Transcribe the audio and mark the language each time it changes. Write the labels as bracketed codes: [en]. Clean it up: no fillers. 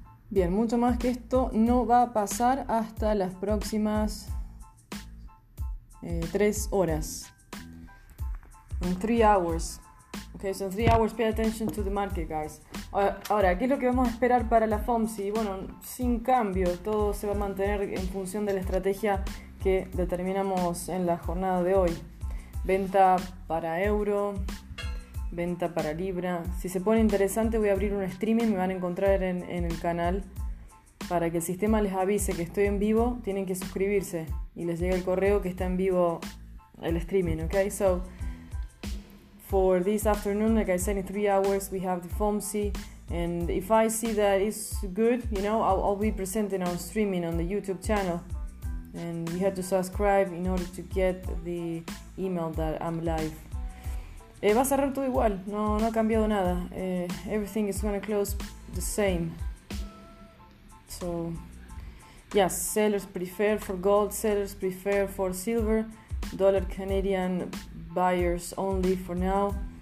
[es] Bien, mucho más que esto no va a pasar hasta las próximas 3 horas. [en] In 3 hours. Okay, so in 3 hours, pay attention to the market, guys. [es] Ahora, ¿qué es lo que vamos a esperar para la FOMC? Bueno, sin cambio, todo se va a mantener en función de la estrategia que determinamos en la jornada de hoy. Venta para euro, venta para libra. Si se pone interesante, voy a abrir un streaming, me van a encontrar en el canal para que el sistema les avise que estoy en vivo. Tienen que suscribirse y les llega el correo que está en vivo el streaming, ¿ok? [en] So, for this afternoon, like I said, in 3 hours, we have the FOMC. And if I see that it's good, you know, I'll be presenting on streaming on the YouTube channel. And you have to subscribe in order to get the email that I'm live. [es] Va a cerrar todo igual, no ha cambiado nada. [en] Everything is going to close the same. So, yes, sellers prefer for gold, sellers prefer for silver. Dollar Canadian buyers only for now.